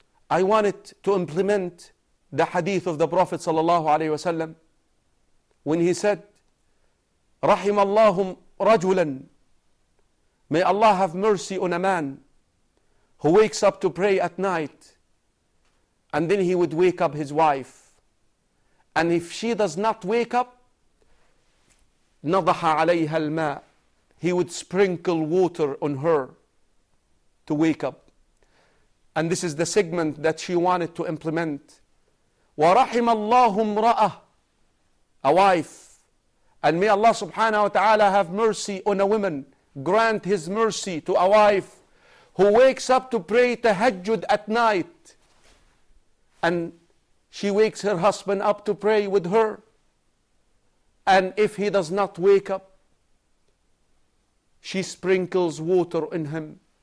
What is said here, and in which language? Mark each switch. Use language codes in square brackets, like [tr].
[en] I wanted to implement the hadith of the Prophet sallallahu alaihi wasallam, when he said, [ar] Rahim Allahum rajulan, [en] may Allah have mercy on a man who wakes up to pray at night, and then he would wake up his wife. And if she does not wake up, [ar] nadaha alayha al-ma, [en] he would sprinkle water on her to wake up. And this is the segment that she wanted to implement. [ar] ورحم الله امرأة, [en] a wife. And may Allah subhanahu wa ta'ala have mercy on a woman, grant his mercy to a wife who wakes up to pray tahajjud at night. And she wakes her husband up to pray with her. And if he does not wake up, she sprinkles water in him.